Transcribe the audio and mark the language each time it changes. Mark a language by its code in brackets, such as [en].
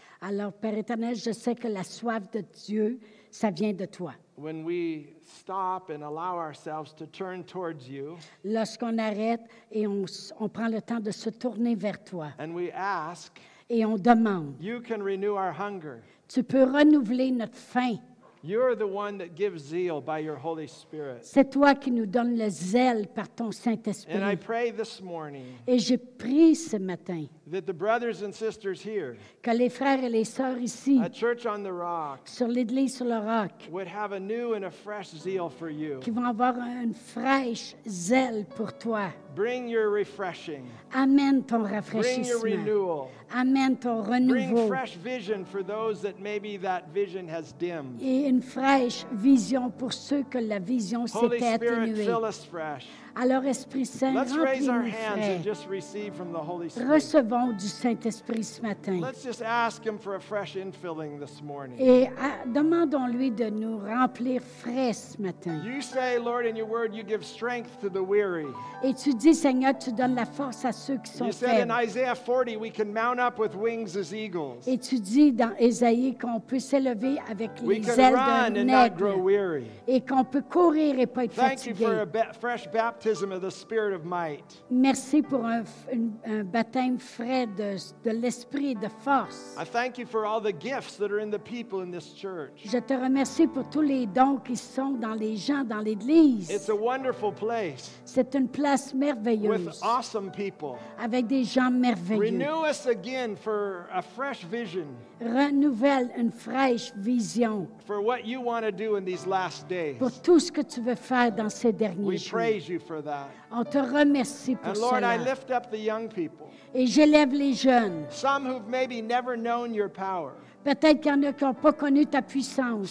[fr] Alors, Père éternel, je sais que la soif de Dieu, ça vient de toi. [en] When we stop and allow ourselves to turn towards you, [fr] lorsqu'on arrête et on prend le temps de se tourner vers toi, [en] and we ask, [fr] et on demande, [en] you can renew our hunger. [fr] Tu peux renouveler notre faim. [en] You're the one that gives zeal by your Holy Spirit. [fr] C'est toi qui nous donnes le zèle par ton Saint-Esprit. [en] And I pray this morning. [fr] Et je prie ce matin. [en] That the brothers and sisters here. [fr] Que les frères et les sœurs ici. [en] A church on the rock. [fr] Sur l'église sur le roc. [en] Would have a new and a fresh zeal for you. [fr] Qui vont avoir une fraîche zèle pour toi. [en] Bring your refreshing. [fr] Amen ton rafraîchissement. [en] Bring your renewal. [fr] Amen ton renouveau. [en] Bring fresh vision for those that maybe that vision has dimmed. [fr] Et une fraîche vision pour ceux que la vision s'est atténuée. [en] Holy Spirit, fill us fresh. [fr] Alors Esprit Saint, remplis-nous frais. Recevons du Saint-Esprit ce matin. [en] Let's just ask him for a fresh infilling this morning. [fr] Et demandons-lui de nous remplir frais ce matin. [en] You say, Lord, in your word, you give strength to the weary. [fr] Et tu dis, Seigneur, tu donnes la force à ceux qui sont faibles. [en] You said in Isaiah 40, we can mount up with wings as eagles. [fr] Et tu dis dans Ésaïe qu'on peut s'élever avec les ailes d'un aigle. [en] We can run and not grow weary. [fr] Et qu'on peut courir et pas être fatigué. [en] Thank you for a fresh baptism of the Spirit of might. [fr] Merci pour un baptême frais de l'esprit de force. [en] I thank you for all the gifts that are in the people in this church. [fr] Je te remercie pour tous les dons qui sont dans les gens dans l'église. [en] It's a wonderful place. [fr] C'est une place merveilleuse. [en] With awesome people. [fr] Avec des gens merveilleux. [en] Renew us again for a fresh vision. [fr] Renouvelle une fraîche vision. [en] For what you want to do in these last days. [fr] Pour tout ce que tu veux faire dans ces derniers jours. [en] We praise you for that. [fr] On te remercie pour cela. And [en] Lord, I lift up the young people. [fr] Et j'élève les jeunes. [en] Some who've maybe never known your power. [fr] Peut-être qu'il y en a qui n'ont pas connu ta puissance.